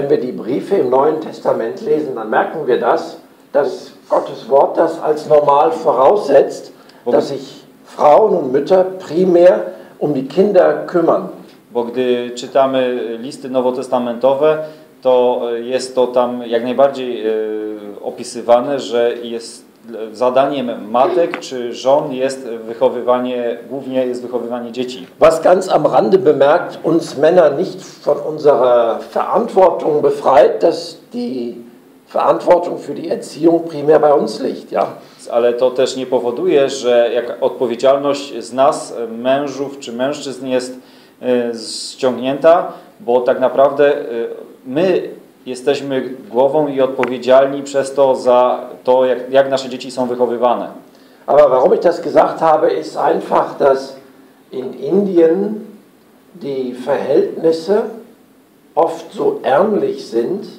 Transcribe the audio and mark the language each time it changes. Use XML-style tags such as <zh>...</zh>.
<de>Wenn wir die Briefe im Neuen Testament lesen, dann merken wir das, dass Gottes Wort das als normal voraussetzt, dass sich Frauen und Mütter primär um die Kinder kümmern.</de> <pl>Bo bo gdy czytamy listy nowotestamentowe, to jest to tam jak najbardziej opisywane, że jest zadaniem matek czy żon jest wychowywanie, głównie jest wychowywanie dzieci.</pl> <de>Was ganz am Rande bemerkt, uns Männer nicht von unserer Verantwortung befreit, dass die Verantwortung für die Erziehung primär bei uns liegt, ja.</de> <pl>Ale to też nie powoduje, że jak odpowiedzialność z nas, mężów czy mężczyzn jest ściągnięta, bo tak naprawdę my jesteśmy głową i odpowiedzialni przez to za to, jak nasze dzieci są wychowywane.</pl> <de>Aber warum ich das gesagt habe, ist einfach, dass in Indien die Verhältnisse oft so ärmlich sind.</de>